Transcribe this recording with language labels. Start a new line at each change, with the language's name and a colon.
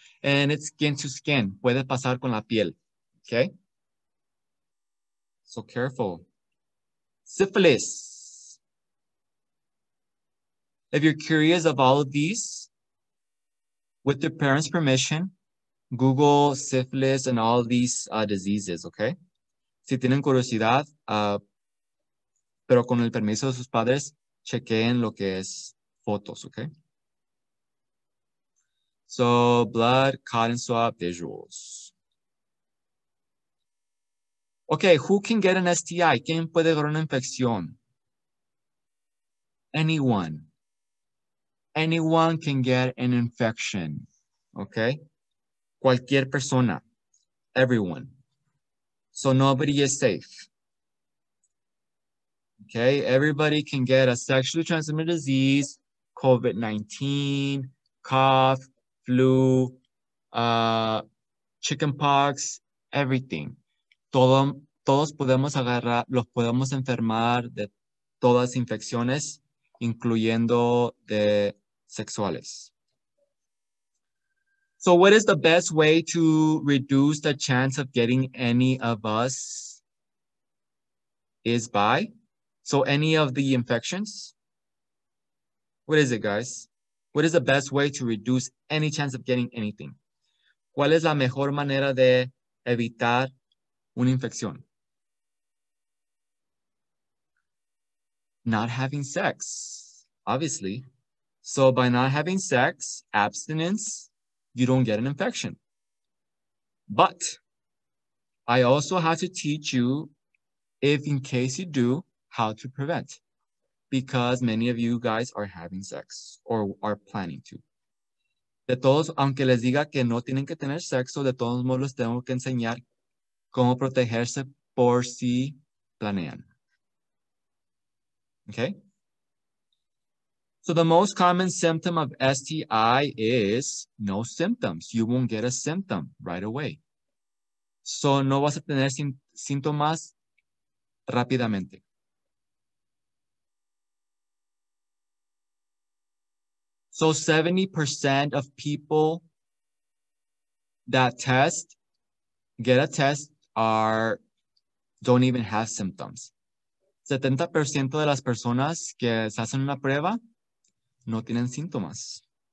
English: And it's skin to skin.
Spanish: Puede pasar con la piel.
English: Okay? So careful. Syphilis. If you're curious of all of these, with your parents' permission, Google syphilis and all these diseases, okay?
Spanish: Si tienen curiosidad, pero con el permiso de sus padres, chequeen lo que es fotos, okay?
English: So, blood, cotton swab, visuals. Okay, who can get an STI?
Spanish: ¿Quién puede dar una infección?
English: Anyone. Anyone can get an infection, okay?
Spanish: Cualquier persona.
English: Everyone. So, nobody is safe. Okay, everybody can get a sexually transmitted disease. COVID-19, cough, flu, chickenpox, everything.
Spanish: Todos podemos agarrar, los podemos enfermar de todas las infecciones, incluyendo de sexuales.
English: So what is the best way to reduce the chance of getting any of us is by? So any of the infections? What is it, guys? What is the best way to reduce any chance of getting anything?
Spanish: ¿Cuál es la mejor manera de evitar una infección?
English: Not having sex, obviously. So by not having sex, abstinence, you don't get an infection. But I also have to teach you, if in case you do, how to prevent. Because many of you guys are having sex or are planning to.
Spanish: De todos, aunque les diga que no tienen que tener sexo, de todos modos tengo que enseñar cómo protegerse por si planean.
English: Okay. So the most common symptom of STI is no symptoms. You won't get a symptom right away. So
Spanish: no vas a tener síntomas rápidamente.
English: So 70% of people that get a test don't even have symptoms.
Spanish: 70% de las personas que se hacen una prueba no tienen síntomas.